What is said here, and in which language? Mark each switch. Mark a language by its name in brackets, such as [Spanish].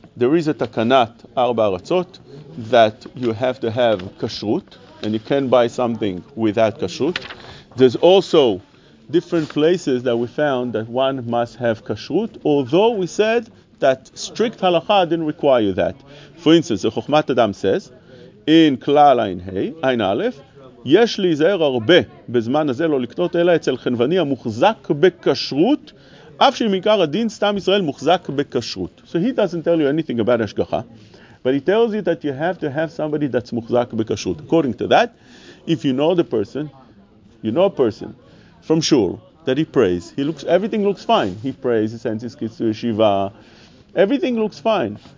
[English] There is a takanat, Arba Aratzot, that you have to have kashrut, and you can buy something without kashrut. There's also different places that we found that one must have kashrut, although we said that strict halakha didn't require that. For instance, the Chochmat Adam says, in Klal Ayin Hei, Ayin Aleph, [Hebrew] יש להיזהר הרבה בזמן הזה לא לקנות אלא אצל חנווני המוחזק בקשרות, אף שמעיקר הדין סתם ישראל מוחזק בקשרות. [English] So he doesn't tell you anything about השגחה, but he tells you that you have to have somebody that's מוחזק בקשרות. According to that, if you know the person, you know a person from shul that he prays, he looks, everything looks fine. He prays, he sends his kids to yeshiva, everything looks fine.